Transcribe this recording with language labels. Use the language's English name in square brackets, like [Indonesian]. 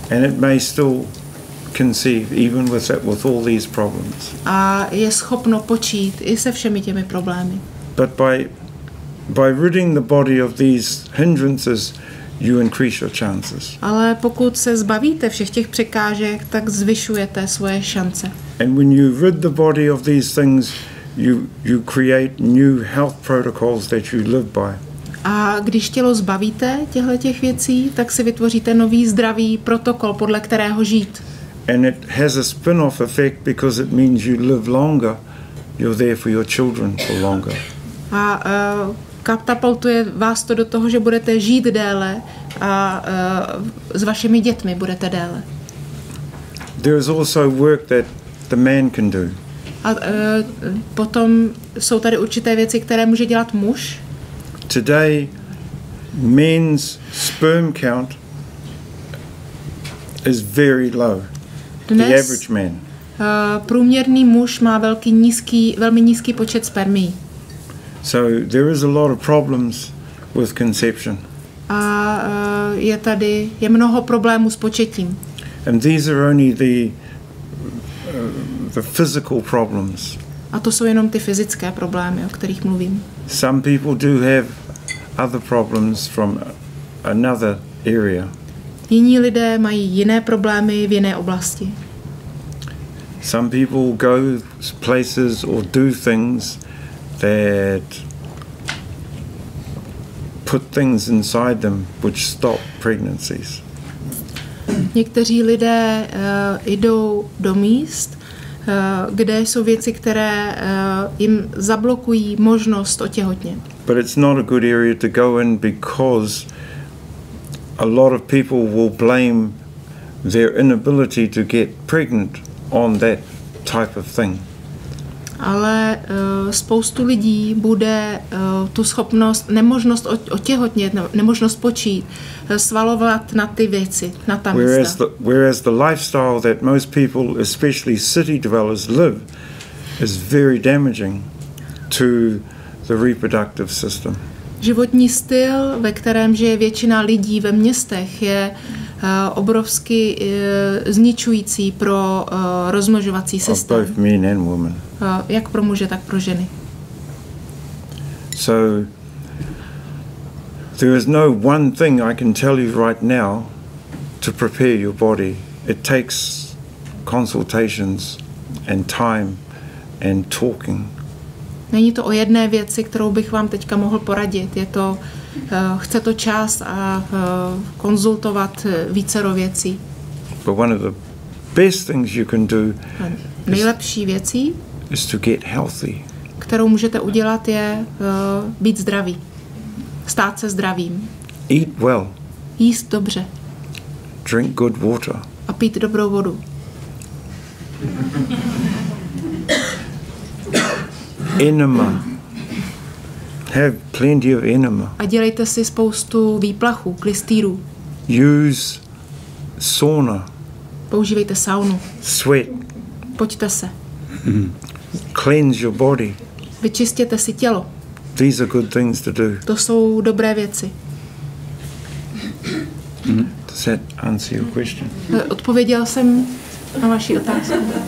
[English] And it may still conceive even with all these problems. [Czech] A je schopno počít i se všemi těmi problémy. [English] But by ridding the body of these hindrances, you increase your chances. [Czech] Ale pokud se zbavíte všech těch překážek, tak zvyšujete svoje šance. [English] And when you rid the body of these things, you create new health protocols that you live by. [Czech] A když tělo zbavíte těchto těch věcí, tak si vytvoříte nový zdravý protokol, podle kterého žít. [English] And it has a spin-off effect because it means you live longer. You're there for your children for longer. [Czech] A katapultuje vás to do toho, že budete žít déle a s vašimi dětmi budete déle. [English] There is also work that the man can do. [Czech] A potom jsou tady určité věci, které může dělat muž. [English] Today, men's sperm count is very low. [Czech] Dnes, [English] the average man. [Czech] Průměrný muž má velmi nízký počet spermií. [English] So there is a lot of problems with conception. [Czech] A je mnoho problémů s početím. [English] And these are only the physical problems. [Czech] A to jsou jenom ty fyzické problémy, o kterých mluvím. [English] Some people do have other problems from another area. [Czech] Jiní lidé mají jiné problémy v jiné oblasti. [English] Some people go places or do things that put things inside them which stop pregnancies. [Czech] Někteří lidé jdou do míst, kde jsou věci, které jim zablokují možnost otěhotnět. [English] But it's not a good area to go in because a lot of people will blame their inability to get pregnant on that type of thing. [Czech] Ale spoustu lidí bude tu schopnost, nemožnost otěhotnět, nemožnost počít, svalovat na ty věci, na ta místa. [English] Whereas the lifestyle that most people, especially city dwellers, live, is very damaging to the reproductive system. [Czech] Životní styl, ve kterém žije většina lidí ve městech, je obrovsky zničující pro rozmnožovací systém. Jak pro muže, tak pro ženy. [English] So there is no one thing I can tell you right now to prepare your body. It takes consultations and time and talking. [Czech] Není to o jedné věci, kterou bych vám teďka mohl poradit. Je to, chce to čas a konzultovat vícero věcí. [English] But one of the best things you can do [Czech] nejlepší věcí, [English] is to get healthy. [Czech] Kterou můžete udělat, je být zdravý. Stát se zdravým. [English] Eat well. [Czech] Jíst dobře. [English] Drink good water. [Czech] A pít dobrou vodu. [English] Enema. Have plenty of enema. [Czech] A dělejte si spoustu výplachů, klistýrů. [English] Use sauna. [Czech] Používejte saunu. [English] Sweat. [Czech] pojďte se. [English] Cleanse your body. [Czech] Vyčistěte si tělo. [English] These are good things to do. [Czech] To jsou dobré věci. [English] Does that answer your question? [Czech] Odpověděl jsem na vaši otázku.